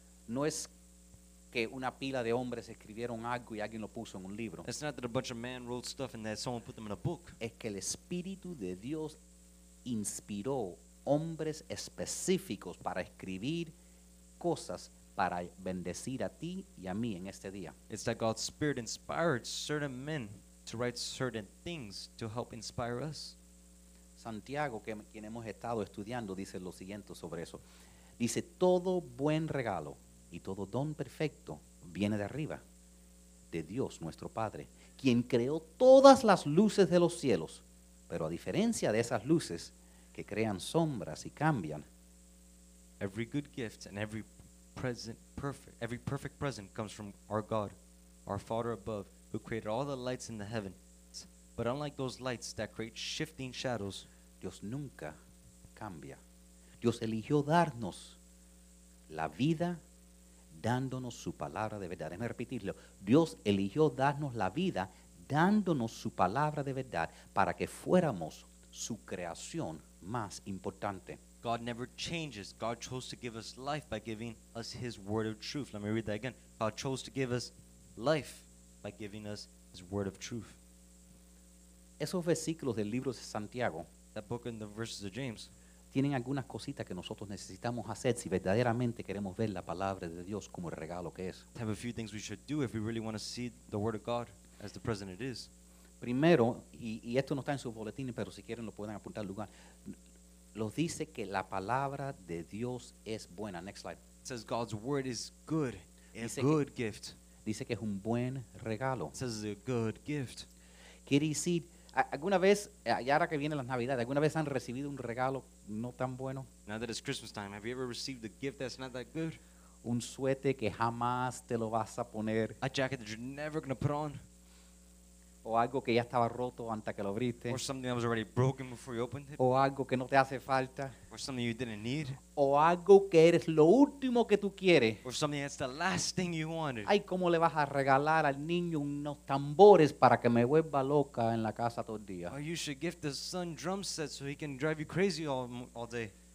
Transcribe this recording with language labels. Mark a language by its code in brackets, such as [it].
[es] No es que una pila de hombres escribieron algo y alguien lo puso en un libro. [en] It's not that a bunch of men wrote stuff and that someone put them in a book. [es] Es que el Espíritu de Dios inspiró hombres específicos para escribir cosas para bendecir a ti y a mí en este día. [en] It's that God's Spirit inspired certain men to write certain things to help inspire us. [es] Santiago, quien hemos estado estudiando, dice lo siguiente sobre eso. Dice, todo buen regalo y todo don perfecto viene de arriba, de Dios nuestro Padre, quien creó todas las luces de los cielos. Pero a diferencia de esas luces que crean sombras y cambian, [en] every good gift and every perfect present comes from our God, our Father above, who created all the lights in the heavens. But unlike those lights that create shifting shadows, [es] Dios nunca cambia. Dios eligió darnos la vida dándonos su palabra de verdad. Déjame repetirlo. Dios eligió darnos la vida dándonos su palabra de verdad para que fuéramos su creación más importante. [en] God never changes. God chose to give us life by giving us his word of truth. Let me read that again. God chose to give us life by giving us his word of truth. [es] Esos versículos del libro de Santiago, [en] that book in the verses of James, [es] tienen algunas cositas que nosotros necesitamos hacer si verdaderamente queremos ver la palabra de Dios como el regalo que es. [en] Have a few things we should do if we really want to see the word of God as the present it is. [es] Primero, y esto no está en sus boletines, pero si quieren lo pueden apuntar al lugar. Los dice que la palabra de Dios es buena. [en] Next slide. It says God's word is good. It's a good gift. [es] Dice que es un buen regalo. [en] It says it's a good gift. [es] Quiere decir, alguna vez, y ahora que vienen las Navidades, ¿alguna vez han recibido un regalo no tan bueno? [en] Now that it's Christmas time, have you ever received a gift that's not that good? [es] Un suéter que jamás te lo vas a poner. [en] A jacket that you're never going to put on. [es] o algo que ya estaba roto antes que lo abriste, [en] or something that was already broken before you opened it, [es] o algo que no te hace falta, [en] or something you didn't need, [es] o algo que eres lo último que tú quieres, [en] or something that's the last thing you wanted. [es] Ay, cómo le vas a regalar al niño unos tambores para que me vuelva loca en la casa todo el día. [en] Or you should gift the son drum sets so he can drive you crazy all day.